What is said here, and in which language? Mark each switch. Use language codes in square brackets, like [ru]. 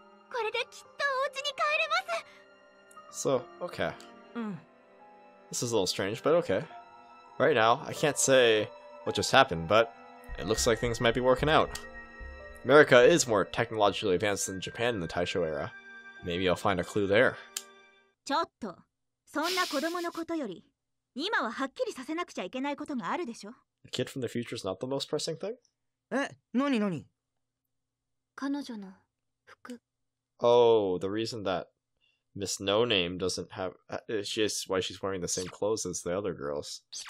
[ja] これできっとお家に帰れます。 [en] So, okay. [ja] うん。 [en] This is a little strange, but okay. Right now, I can't say what just happened, but it looks like things might be working out. America is more technologically advanced than Japan in the Taisho era. Maybe I'll find a clue there. [ja] ちょっと、そんな子供のことより、今ははっきりさせなくちゃいけないことがあるでしょ。 [en] A kid from the future is not the most pressing thing? [ja] え、なになに？彼女の服。 [en] Oh, the reason that Miss No Name doesn't have. She's why she's wearing the same clothes as the other girls.